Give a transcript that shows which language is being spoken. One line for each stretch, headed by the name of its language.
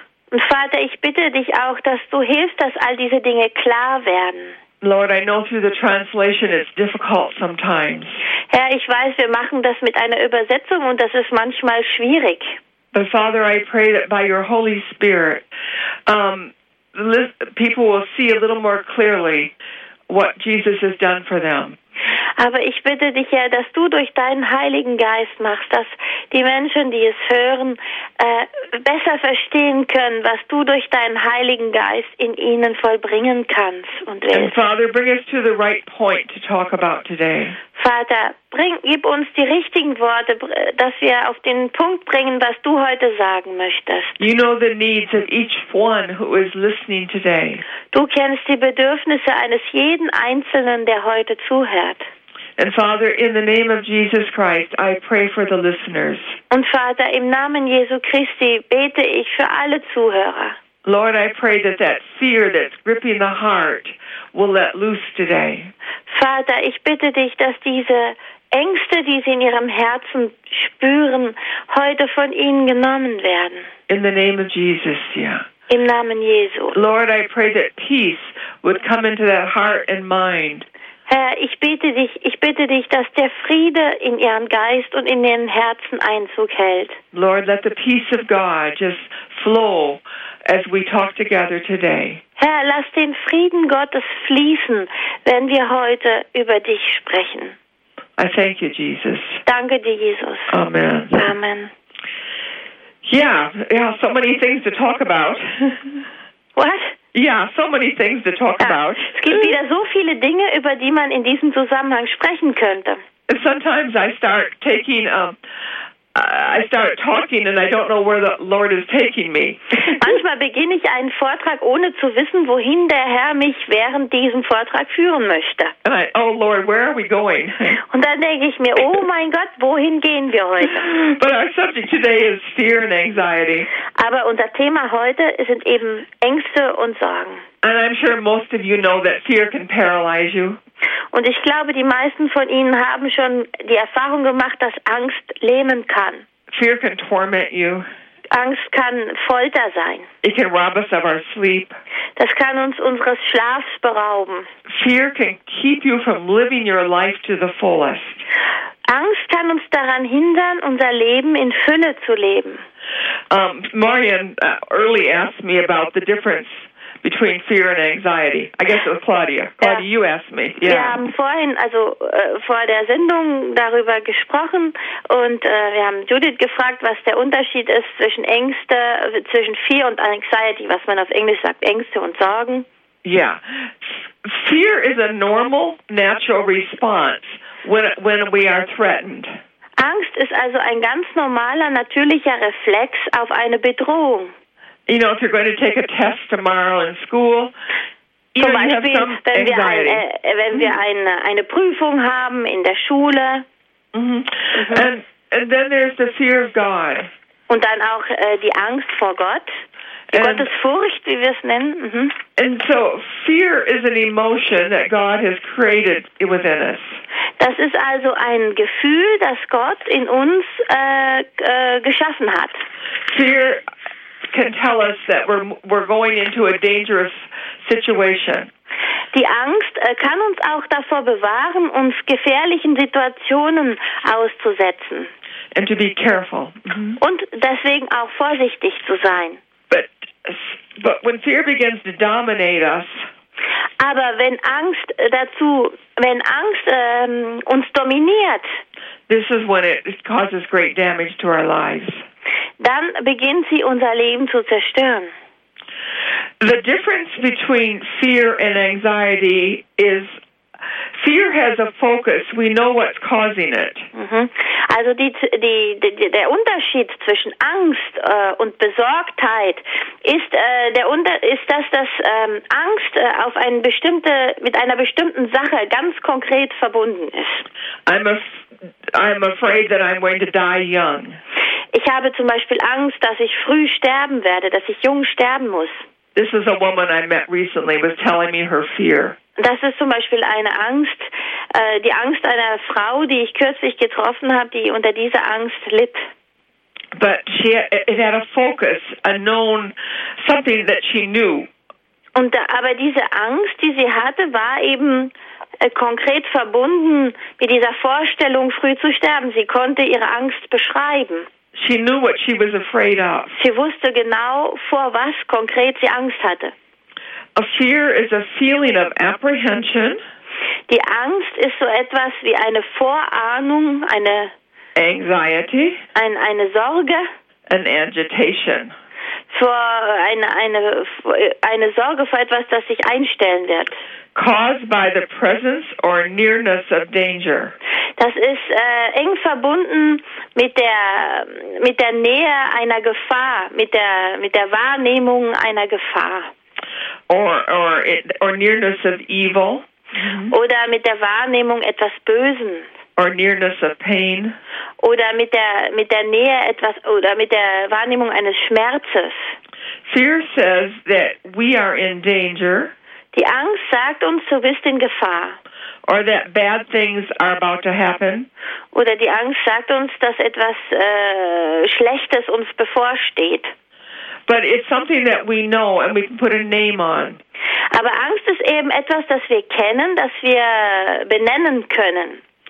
German: Und Vater, ich bitte dich auch, dass du hilfst, dass all diese Dinge klar werden.
English: Lord, I know through the translation it's difficult sometimes.
German: Herr, ich weiß, wir machen das mit einer Übersetzung und das ist manchmal schwierig.
English: But Father, I pray that by your Holy Spirit, people will see a little more clearly what Jesus has done for them.
German: Aber ich bitte dich, Herr, dass du durch deinen Heiligen Geist machst, dass die Menschen, die es hören, besser verstehen können, was du durch deinen Heiligen Geist in ihnen vollbringen kannst und willst.
English: And Father, bring us to the right point to talk about today.
German: Vater, gib uns die richtigen Worte, dass wir auf den Punkt bringen, was du heute sagen möchtest.
English: You know the needs of each one who is listening today.
German: Du kennst die Bedürfnisse eines jeden Einzelnen, der heute zuhört.
English: And Father, in the name of Jesus Christ, I pray for the listeners.
German: Und Vater, im Namen Jesu Christi bete ich für alle Zuhörer.
English: Lord, I pray that that fear that's gripping the heart will let loose today.
German: Vater, ich bitte dich, dass diese Ängste, die sie in ihrem Herzen spüren, heute von ihnen genommen werden.
English: In the name of Jesus, yeah.
German: Im Namen Jesu.
English: Lord, I pray that peace would come into that heart and mind.
German: Herr, ich bitte dich, dass der Friede in ihren Geist und in ihren Herzen Einzug hält.
English: Lord, let the peace of God just flow as we talk together today.
German: Herr, lass den Frieden Gottes fließen, wenn wir heute über dich sprechen.
English: I thank you, Jesus.
German: Danke dir, Jesus.
English: Amen.
German: Amen.
English: Yeah, so many things to talk about. What? Yeah, so many things to talk about.
German: Es gibt wieder so viele Dinge, über die man in diesem Zusammenhang sprechen könnte.
English: Sometimes I start taking I start talking and I don't know where the Lord is taking me.
German: Manchmal beginne ich einen Vortrag, ohne zu wissen, wohin der Herr mich während diesem Vortrag führen möchte.
English: And I, oh Lord, where are we going?
German: Und dann denke ich mir, oh mein Gott, wohin gehen wir heute?
English: But our subject today is fear and anxiety.
German: Aber unser Thema heute sind eben Ängste und Sorgen.
English: And I'm sure most of you know that fear can paralyze you.
German: Und ich glaube, die meisten von Ihnen haben schon die Erfahrung gemacht, dass Angst lähmen kann.
English: Fear can torment you.
German: Angst kann Folter sein.
English: It can rob us of our sleep.
German: Das kann uns unseres Schlafs berauben.
English: Fear can keep you from living your life to the fullest.
German: Angst kann uns daran hindern, unser Leben in Fülle zu leben.
English: Marianne early asked me about the difference between fear and anxiety. I guess it was Claudia. Claudia, you asked me. Yeah.
German: Wir haben vorhin, also vor der Sendung, darüber gesprochen und wir haben Judith gefragt, was der Unterschied ist zwischen Ängste, zwischen Fear und Anxiety, was man auf Englisch sagt, Ängste und Sorgen.
English: Yeah. Fear is a normal, natural response when we are threatened.
German: Angst ist also ein ganz normaler, natürlicher Reflex auf eine Bedrohung.
English: You know, if you're going to take a test tomorrow in school,
German: zum Beispiel, wenn wir eine Prüfung haben in der Schule.
English: Mm-hmm. And then there's the fear of God.
German: Und dann auch die Angst vor Gott. Gottesfurcht, wie wir es nennen. Mm-hmm.
English: And so fear is an emotion that God has created within us.
German: Das ist also ein Gefühl, das Gott in uns geschaffen hat.
English: Fear can tell us that we're going into a dangerous situation.
German: Die Angst kann uns auch davor bewahren, uns gefährlichen Situationen auszusetzen.
English: And to be careful.
German: Und deswegen auch vorsichtig zu sein.
English: But when fear begins to dominate us,
German: aber wenn Angst uns dominiert,
English: this is when it causes great damage to our lives.
German: Dann beginnt sie, unser Leben zu zerstören.
English: The difference between fear and anxiety is fear has a focus. We know what's causing it.
German: Also der Unterschied zwischen Angst und Besorgtheit ist, dass Angst auf eine bestimmte, mit einer bestimmten Sache ganz konkret verbunden ist.
English: I'm afraid that I'm going to die young.
German: Ich habe zum Beispiel Angst, dass ich früh sterben werde, dass ich jung sterben muss.
English: This is a woman I met recently was telling me her fear.
German: Das ist zum Beispiel eine Angst, die Angst einer Frau, die ich kürzlich getroffen habe, die unter dieser Angst litt.
English: But she it had a focus, a known something that she knew.
German: Aber diese Angst, die sie hatte, war eben konkret verbunden mit dieser Vorstellung, früh zu sterben. Sie konnte ihre Angst beschreiben.
English: She knew what she was afraid of.
German: Sie wusste genau, vor was konkret sie Angst hatte.
English: A fear is a feeling of apprehension.
German: Die Angst ist so etwas wie eine Vorahnung, eine
English: Anxiety.
German: Eine Sorge.
English: An agitation.
German: Eine Sorge vor etwas, das sich einstellen wird.
English: Caused by the presence or nearness of danger.
German: Das ist eng verbunden mit der Nähe einer Gefahr, mit der Wahrnehmung einer Gefahr.
English: Or nearness of evil.
German: Oder mit der Wahrnehmung etwas Bösen.
English: Or nearness of pain.
German: Oder mit der Nähe etwas oder mit der Wahrnehmung eines Schmerzes.
English: Fear says that we are in danger.
German: Die Angst sagt uns, du bist in Gefahr.
English: Or that bad things are about to happen.
German: Oder die Angst sagt uns, dass etwas Schlechtes uns bevorsteht.
English: But it's something that we know and we can put a name on.
German: Aber Angst ist eben etwas, das wir kennen, das wir benennen können.